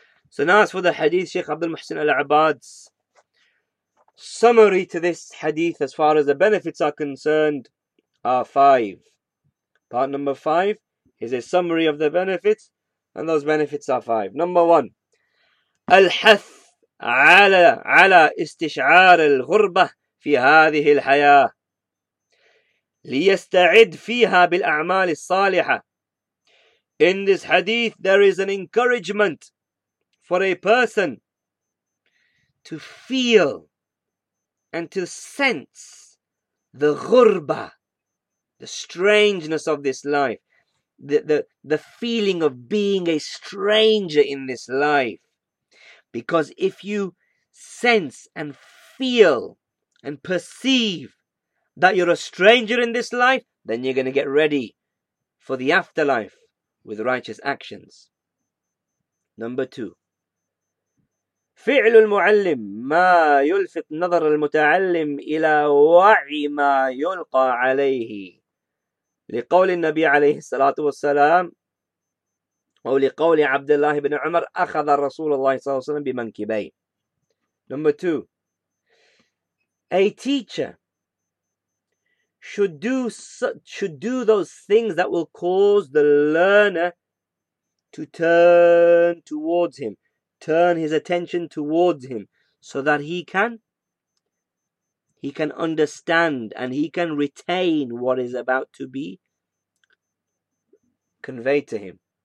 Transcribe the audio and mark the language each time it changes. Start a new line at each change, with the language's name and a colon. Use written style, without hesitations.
English: So now as for the hadith, Sheikh Abdul Muhsin Al-Abad's summary to this hadith, as far as the benefits are concerned, are five. Part number five is a summary of the benefits, and those benefits are five.
Arabic: Number one, الحث على استشعار الغربة في هذه الحياة ليستعد فيها بالأعمال الصالحة.
English: In this hadith, there is an encouragement for a person to feel and to sense the ghurba, the strangeness of this life, the feeling of being a stranger in this life. Because if you sense and feel and perceive that you're a stranger in this life, then you're going to get ready for the afterlife with righteous actions. Number two.
Arabic: فعل المعلم ما يلفت نظر المتعلم إلى وعي ما يلقى عليه لقول النبي عليه الصلاة والسلام أو لقول عبد الله بن عمر أخذ الرسول الله صلى الله عليه وسلم بمنكبيه.
English: Number two, a teacher should do those things that will cause the learner to turn towards him, turn his attention towards him, so that he can understand and he can retain what is about to be conveyed to him.